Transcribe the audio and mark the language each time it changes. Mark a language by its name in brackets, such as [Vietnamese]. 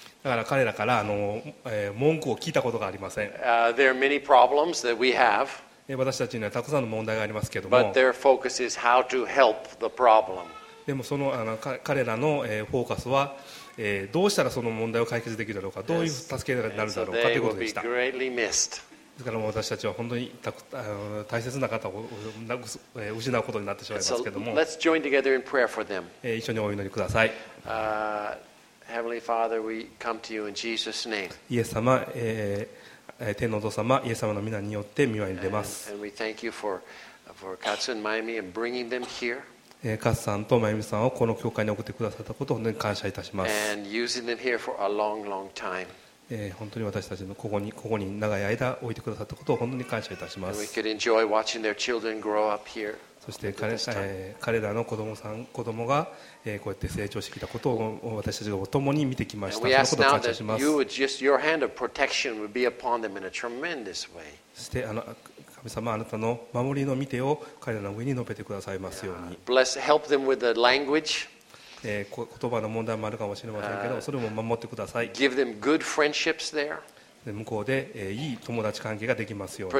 [Japanese] だから彼らから文句を聞いたことがありません。 [English] There are many problems that we have. [Japanese] 私たちにはたくさんの問題がありますけども。 [English] But their focus is how to help the problem. [Japanese] でもその彼らのフォーカスは、どうしたらその問題を解決できるだろうか、どういう助けになるだろうかということでした。 [English] They will be greatly missed. [Japanese] ですから私たちは本当に大切な方を失うことになってしまいますけども。 [English] So let's join together in prayer for them. [Japanese] 一緒にお祈りください。 [English] Heavenly Father, we come to you in Jesus' name. [Japanese] イエス様、天のお父様、イエス様の皆によって御前に出ます。 [English] And we thank you for Katsu and Mayumi and bringing them here. [Japanese] カツさんとマユミさんをこの教会に送ってくださったことを本当に感謝いたします。 [English] And using them here for a long, long time. [Japanese] 本当に私たちのここに長い間置いてくださったことを本当に感謝いたします。 [English] And we could enjoy watching their children grow up here. [Japanese] そして 彼らの子供が、こうやって成長してきたことを私たちが共に見てきました。そのことを感謝します。 [English] You would just, your hand of protection would be upon them in a tremendous way. [Japanese] そして神様、あなたの守りの御手を彼らの上に述べてくださいますように。 [English] Help them with the language. [Japanese] 言葉の問題もあるかもしれませんけど、それも守ってください。 [English] Give them good friendships there. [Japanese] 向こうで、いい友達関係ができますように。